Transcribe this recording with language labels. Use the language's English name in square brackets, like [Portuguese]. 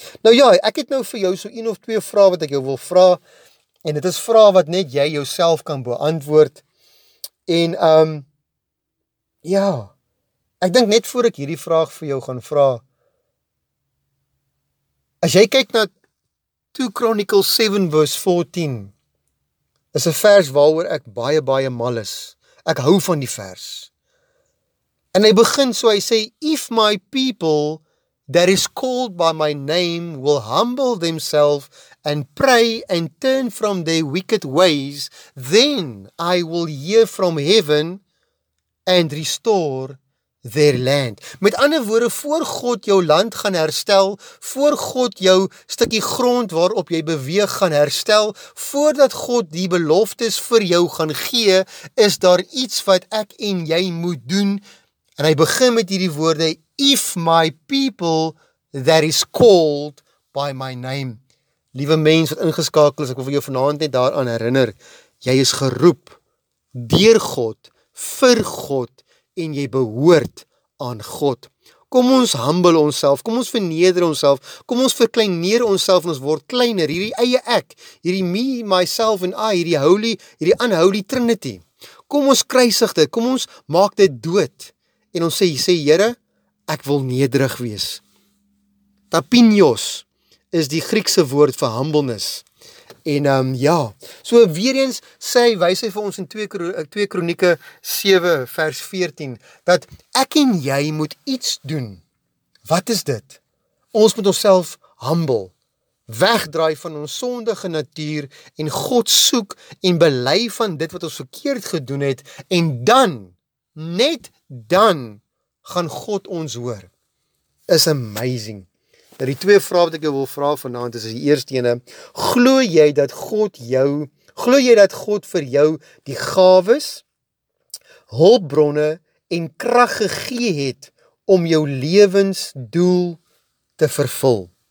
[Afrikaans] Nou ja, ek het nou vir jou so 1 of 2 vrae wat ek jou wil vra en dit is vrae wat net jy jouself kan beantwoord en ja, ek dink net voor ek hierdie vraag vir jou gaan vra, as jy kyk na [English] 2 Chronicles 7 verse 14, [Afrikaans] is 'n vers waaroor ek baie, baie mal is. Ek hou van die vers. En hy begin so, hy sê, [English] if my people that is called by my name will humble themselves and pray and turn from their wicked ways, then I will hear from heaven and restore their land. Met ander woorde, voor God jou land gaan herstel, voor God jou stukkie grond waarop jy beweeg gaan herstel, voordat God die beloftes vir jou gaan gee, is daar iets wat ek en jy moet doen. [Afrikaans] En hy begin met hierdie woorde, [English] if my people that is called by my name. [Afrikaans] Liewe mens wat ingeskakel is, ek wil jou vanavond net daaraan herinner, jy is geroep deur God, vir God, en jy behoort aan God. Kom ons humble onsself, kom ons verneder onsself, kom ons verkleineer onsself, ons word kleiner, hierdie eie ek, hierdie [English] me, myself [Afrikaans] en I, hierdie [English] unholy trinity. [Afrikaans] Kom ons kruisig dit, kom ons maak dit dood, en ons sê Here, ek wil nederig wees. Tapinios is die Griekse woord vir humbleness. En ja, so weer eens sê hy, wys hy vir ons in 2 Kronieke 7 vers 14, dat ek en jy moet iets doen. Wat is dit? Ons moet onsself humble, wegdraai van ons sondige natuur en God soek en bely van dit wat ons verkeerd gedoen het en dan, net dan, gaan God ons hoor. Is amazing. Nou die 2 vrae wat ek jou wil vra vanaand is die eerste ene, glo jy dat God vir jou die gawes, hulpbronne en krag gegee het om jou lewensdoel te vervul?